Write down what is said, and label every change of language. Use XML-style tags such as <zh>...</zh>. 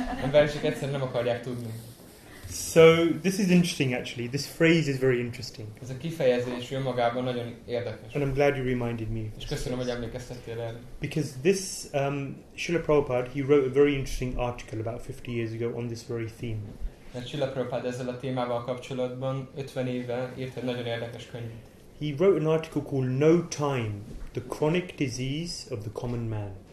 <hu>Emberek egyszerűen nem akarják tudni.</hu> <en>So, this is interesting actually. This phrase is very interesting.</en> <hu>Ez a kifejezés önmagában nagyon érdekes.</hu> <en>And I'm glad you reminded me.</en> <hu>És köszönöm, hogy emlékeztettél erre.</hu> <en>Because this, Srila Prabhupada, he wrote a very interesting article about 50 years ago on this very theme.</en> <hu>Mert Srila Prabhupada ezzel a témával kapcsolatban 50 éve írt egy nagyon érdekes könyvet.</hu> <en>He wrote an article called No Time, The Chronic Disease of the Common Man.</en>